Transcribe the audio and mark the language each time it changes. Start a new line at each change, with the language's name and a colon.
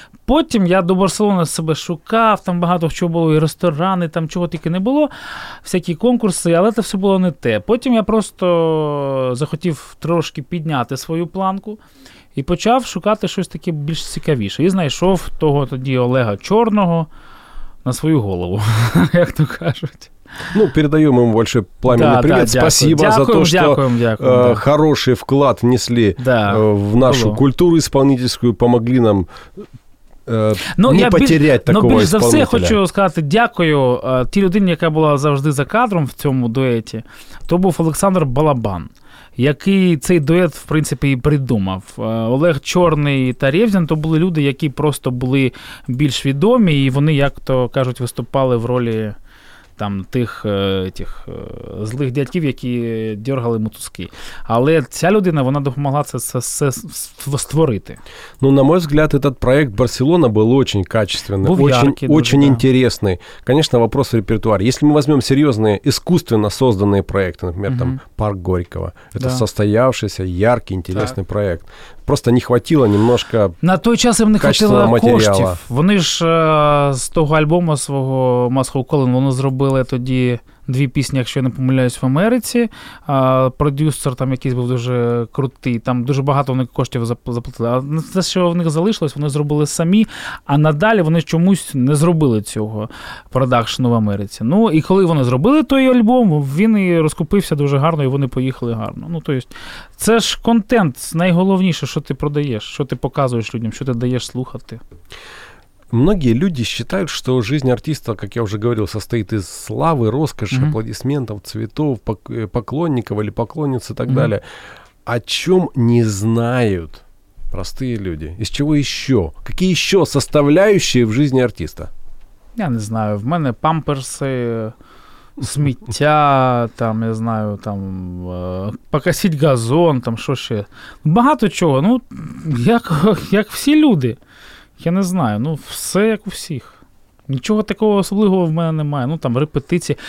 Ukrainian: Потім я до Барселони себе шукав, там багато чого було, і ресторани, там чого тільки не було, всякі конкурси, але це все було не те. Потім я просто захотів трошки підняти свою планку і почав шукати щось таке більш цікавіше. І знайшов того тоді Олега Чорного на свою голову, як то кажуть.
Russian: Ну, передаем ему большой пламенный привет. Спасибо за то, что хороший вклад внесли в нашу культуру исполнительскую, помогли нам не потерять такого исполнителя.
Ukrainian: Більш за все хочу сказати дякую тій людині, яка була завжди за кадром в цьому дуеті, то був Олександр Балабан, який цей дует, в принципі, і придумав. Олег Чорний та Рєвзін – то були люди, які просто були більш відомі, і вони, як-то кажуть, виступали в ролі там тих тих злих дядьків, які дергали мотузки. Але ця людина, вона допомогла це створити.
Russian: Ну, на мой взгляд, этот проект Барселона был очень качественный,
Ukrainian: був
Russian: очень яркий, очень
Ukrainian: дуже,
Russian: интересный. Конечно, вопрос репертуар. Если мы возьмем серьезные искусственно созданные проекты, например, там Парк Горького, это состоявшийся яркий, интересный проект. Просто не хватило немножко.
Ukrainian: На той час їм не хватило коштів. Вони ж з того альбому свого Moscow Calling, вони зробили тоді дві пісні, якщо я не помиляюсь, в Америці. Продюсер там якийсь був дуже крутий, там дуже багато вони коштів заплатили. А те, що в них залишилось, вони зробили самі, а надалі вони чомусь не зробили цього продакшену в Америці. Ну, і коли вони зробили той альбом, він і розкупився дуже гарно, і вони поїхали гарно. Ну, тобто, це ж контент, найголовніше, що ти продаєш, що ти показуєш людям, що ти даєш слухати.
Russian: Многие люди считают, что жизнь артиста, как я уже говорил, состоит из славы, роскоши, mm-hmm. аплодисментов, цветов, поклонников или поклонниц и так mm-hmm. далее. О чем не знают простые люди? Из чего еще? Какие еще составляющие в жизни артиста?
Ukrainian: Я не знаю. В мене
Russian: памперсы,
Ukrainian: сміття, там, я знаю, там, покосить газон, там, що ще. Багато чого. Ну, як всі люди. Я не знаю, ну все як у всіх. Нічого такого особливого в мене немає. Ну там репетиції.